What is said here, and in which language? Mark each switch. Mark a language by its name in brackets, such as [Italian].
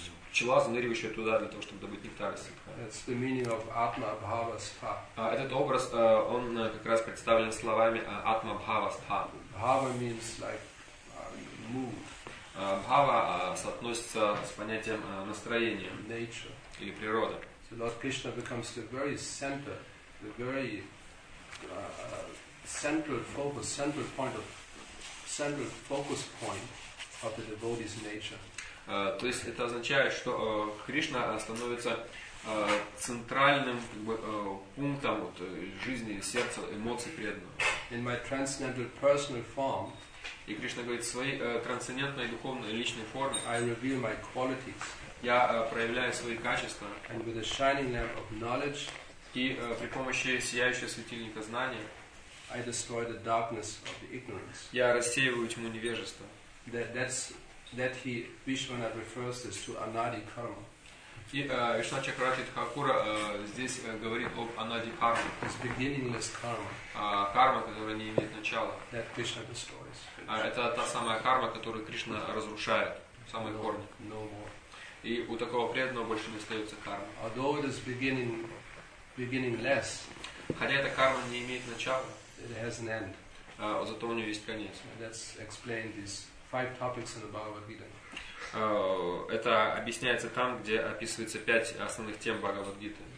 [Russian] Пчела, заныривающая туда для того, чтобы добыть нектар из цветка. [English] That's the meaning of Atma Bhava Stha. [Russian] Этот образ, он как раз представлен словами Atma Bhava Stha. [English] Bhava means like mood. [Russian] Bhava соотносится с понятием настроения. [English] Nature. [Russian] Или природа. [English] So Lord Krishna becomes the very center, the very central focus point of the devotee's nature. [Russian] То есть это означает, что Кришна становится центральным как бы, пунктом вот, жизни, сердца, эмоций преданного. [English] in my transcendental personal form, [Russian] и Кришна говорит, в своей трансцендентной духовной личной форме, [English] I reveal my qualities, [Russian] я проявляю свои качества, [English] and with a shining lamp of knowledge, [Russian] и при помощи сияющего светильника знания, [English] I destroy the darkness of the ignorance. [Russian] Я рассеиваю тьму невежества. [English] That he Vishwana refers this to anadi karma. [Russian] И Вишна Чакравати Тхакура здесь говорит об анади карме. [English] It's beginningless karma. [Russian] Карма, которая не имеет начала. [English] That Krishna destroys. [Russian] Это та самая карма, которую Кришна разрушает, самый корни. [English] No more. [Russian] И у такого преданного больше не остается кармы. [English] Although it is beginningless. [Russian] Хотя эта карма не имеет начала. [English] It has an end. [Russian] Зато у нее есть конец. [English] That's explained these five topics in the Bhagavad Gita. [Russian] Это объясняется там, где описывается пять основных тем Бхагавад-гиты.